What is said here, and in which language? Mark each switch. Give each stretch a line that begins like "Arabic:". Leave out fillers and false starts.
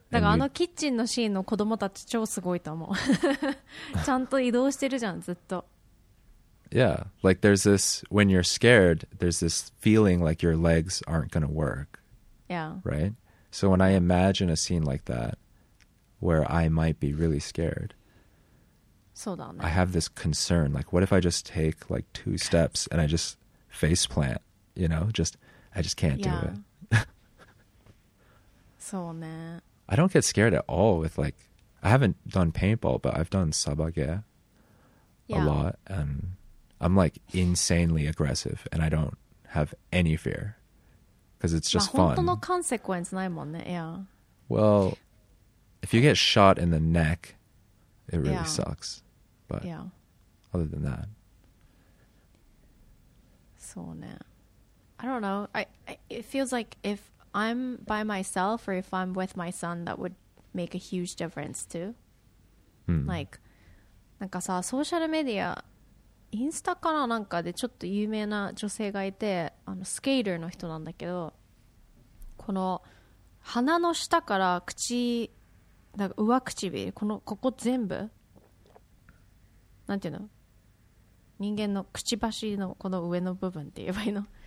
Japanese: だからあのキッチンのシーンの子供たち超すごいと思う。ちゃんと移動してるじゃん、ずっと。
English: Yeah. Like there's this, when you're scared, there's this feeling like your legs aren't going to work. Yeah. Right? So when I imagine a scene like that, where I might be really scared,
Japanese: そうだね。
English: I have this concern. Like, what if I just take like two steps and I just face plant? You know, just, I just can't do it.
Japanese: そうね。
English: I don't get scared at all with like, I haven't done paintball, but I've done sabage a lot. And I'm like insanely aggressive and I don't have any fear. Because it's just fun.
Japanese: 本当の consequence ないもんね。Yeah.
English: Well, if you get shot in the neck, it really sucks. But other than that.
Japanese: そうね。
English: I don't know. It feels like if I'm by myself or if I'm with my son, that would make a huge difference too. Mm.
Japanese: Like, なんかさ、ソーシャルメディア、インスタかななんかでちょっと有名な女性がいて、あのスケーターの人なんだけど、この鼻の下から口、なんか上唇、このここ全部、なんていうの、人間のくちばしのこの上の部分って言えばいいの。